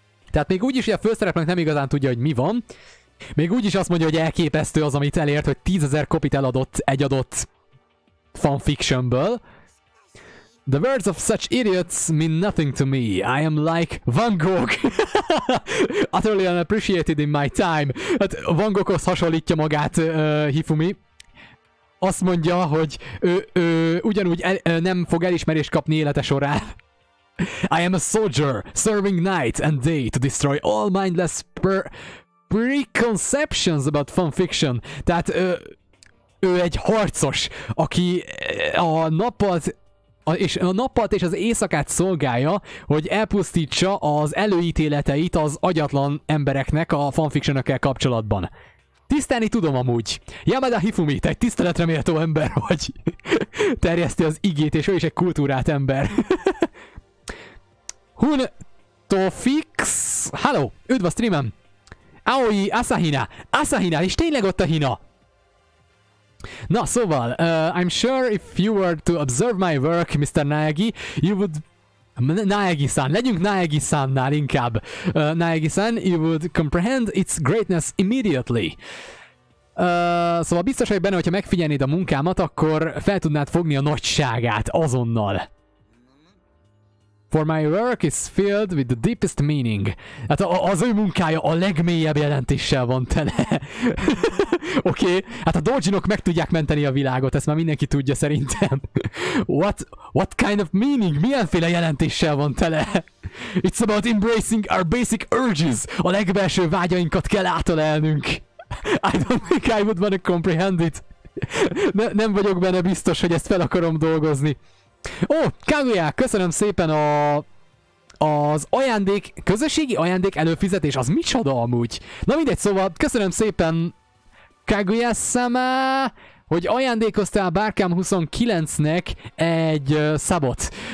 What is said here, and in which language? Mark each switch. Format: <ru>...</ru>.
<hu>Tehát még úgyis, hogy a főszereplőnk nem igazán tudja, hogy mi van. Még úgyis azt mondja, hogy elképesztő az, amit elért, hogy 10 000 kopit eladott egy adott fanfictionből.</hu> <en>The words of such idiots mean nothing to me. I am like Van Gogh. Utterly unappreciated in my time.</en> <hu>Hát Van Goghoz hasonlítja magát Hifumi. Azt mondja, hogy ő ugyanúgy nem fog elismerést kapni élete során.</hu> <en>I am a soldier, serving night and day to destroy all mindless preconceptions about fanfiction.</en> <hu>Tehát ő egy harcos, aki a nappalt és az éjszakát szolgálja, hogy elpusztítsa az előítéleteit az agyatlan embereknek a fanfictionökkel kapcsolatban. Tisztelni tudom amúgy. Yamada Hifumi, te egy tiszteletre méltó ember vagy. Terjeszti az igét, és ő is egy kultúrát ember. Hun Tofix, halló, üdv a streamen. Aoi Asahina, Asahina, és tényleg ott a hina. Na, szóval,</hu> <en>I'm sure if you were to observe my work, Mr. Naegi, you would...</en> <hu>Naegi-san, legyünk Naegi-sannál inkább.</hu> <en>Naegi-san, you would comprehend its greatness immediately.</en> <hu>Szóval biztos vagy benne, hogyha megfigyelnéd a munkámat, akkor fel tudnád fogni a nagyságát azonnal.</hu> <en>For my work is filled with the deepest meaning.</en> <hu>Hát az ő munkája a legmélyebb jelentéssel van tele. Oké, okay. Hát a dojinok meg tudják menteni a világot, ezt már mindenki tudja szerintem.</hu> <en>What kind of meaning?</en> <hu>Milyenféle jelentéssel van tele?</hu> <en>It's about embracing our basic urges.</en> <hu>A legbelső vágyainkat kell átölelnünk.</hu> <en>I don't think I would want to comprehend it.</en> <hu>Nem vagyok benne biztos, hogy ezt fel akarom dolgozni. Ó, Kaguya, köszönöm szépen az ajándék, közösségi ajándék előfizetés, az micsoda amúgy? Na mindegy, szóval köszönöm szépen Kaguya-sama, hogy ajándékoztál Barkham 29-nek egy szabot.</hu>